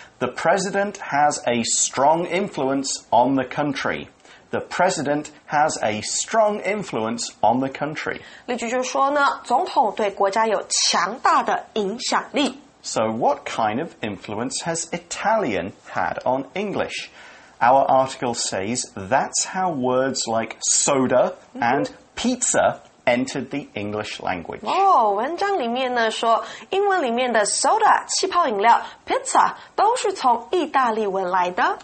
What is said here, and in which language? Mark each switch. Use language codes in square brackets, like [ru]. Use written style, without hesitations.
[en] The president has a strong influence on the country. The president has a strong influence on the country. [zh] 例句就说呢，总统对国家有强大的影响力。 [en] So what kind of influence has Italian had on English? Our article says that's how words like soda and pizza entered the English language. [zh] 哦，文章里面呢说，英文里面的 soda 气泡饮料 pizza 都是从意大利文来的。